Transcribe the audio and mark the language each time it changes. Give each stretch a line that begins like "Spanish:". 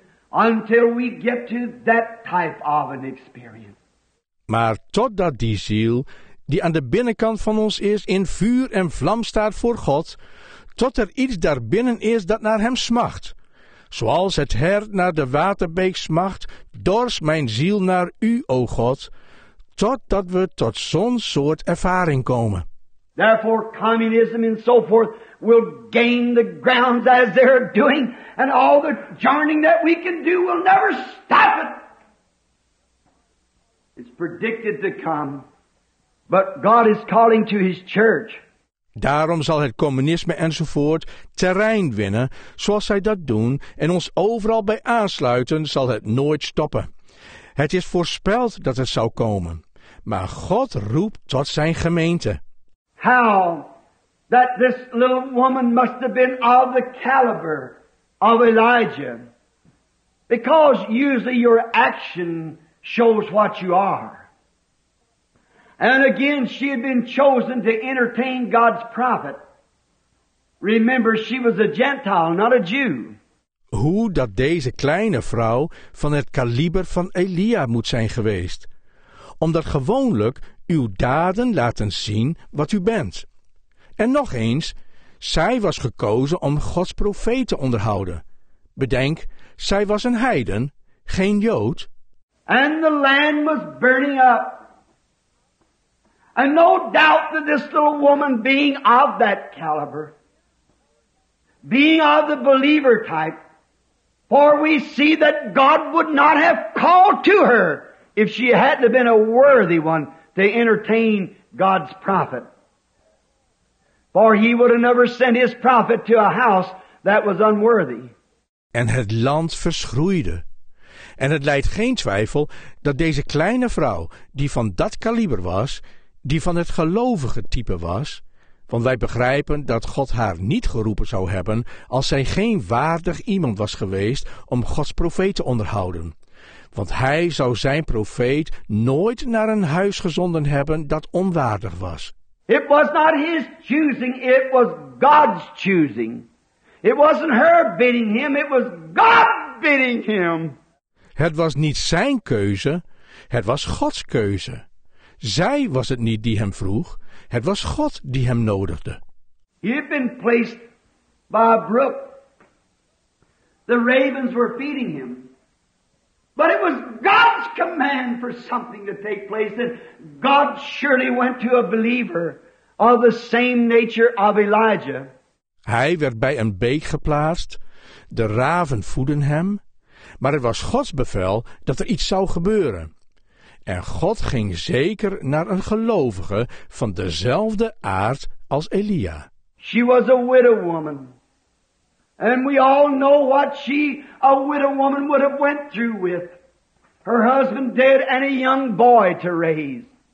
English: Until we get to that type of an experience.
Dutch: Maar totdat die ziel, die aan de binnenkant van ons is, in vuur en vlam staat voor God, tot er iets daarbinnen is dat naar hem smacht. Zoals het hert naar de waterbeek smacht, dorst mijn ziel naar u, o God, totdat we tot zo'n soort ervaring komen.
English: Therefore communism and so forth will gain the grounds as they're doing, and all the journeying that we can do will never stop it. It's predicted to come, but God is calling to His church.
Dutch: Daarom zal het communisme enzovoort terrein winnen zoals zij dat doen en ons overal bij aansluiten zal het nooit stoppen. Het is voorspeld dat het zou komen, maar God roept tot zijn gemeente.
English: How that this little woman must have been of the caliber of Elijah, because usually your action shows what you are. And again, she had been chosen to entertain God's prophet. Remember, she was a Gentile, not a Jew.
Dutch: Hoe dat deze kleine vrouw van het kaliber van Elia moet zijn geweest. Omdat gewoonlijk uw daden laten zien wat u bent. En nog eens, zij was gekozen om Gods profeet te onderhouden. Bedenk, zij was een heiden, geen Jood.
English: And the land was burning up. And no doubt that this little woman, being of that caliber, being of the believer type, for we see that God would not have called to her if she hadn't have been a worthy one to entertain God's prophet. For He would have never sent His prophet to a house that was unworthy.
Dutch: En het land verschroeide. En het leidt geen twijfel dat deze kleine vrouw, die van dat kaliber was, die van het gelovige type was, want wij begrijpen dat God haar niet geroepen zou hebben als zij geen waardig iemand was geweest om Gods profeet te onderhouden. Want Hij zou zijn profeet nooit naar een huis gezonden hebben dat onwaardig was.
English: It was not His choosing, it was God's choosing. It wasn't her bidding Him, it was God bidding Him.
Dutch: Het was niet zijn keuze, het was Gods keuze. Zij was het niet die hem vroeg, het was God die hem nodigde.
English: He had been placed by a brook. The ravens were feeding him. But it was God's command for something to take place, and God surely went to a believer of the same nature of Elijah.
Dutch: Hij werd bij een beek geplaatst, de raven voeden hem, maar het was Gods bevel dat er iets zou gebeuren. En God ging zeker naar een gelovige van dezelfde aard als Elia.
English: She was a widow woman. And we all know what she, a widow woman, would have went through with. Her husband dead and a young boy to raise.